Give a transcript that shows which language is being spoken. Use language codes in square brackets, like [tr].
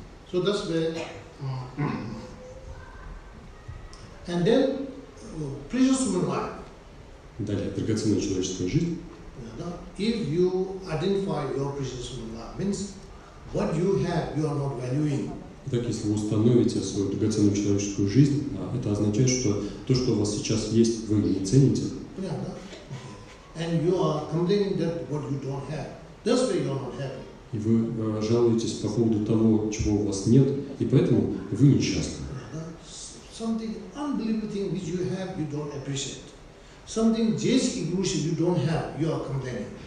[en] So that's where, and then precious human life. [ru] Далее, драгоценная человеческая жизнь. [en] Yeah, that, if you identify your precious human life, means what you have, you are not valuing. [ru] Итак, если вы установите свою драгоценную человеческую жизнь, это означает, что то, что у вас сейчас есть, вы не цените. [en] And you are complaining that what you don't have. That's why you're not happy. [ru] И вы жалуетесь по поводу того, чего у вас нет, и поэтому вы несчастны. [en] Something unbelievable thing which you have, you don't appreciate. Something just illusion you don't have, you are complaining.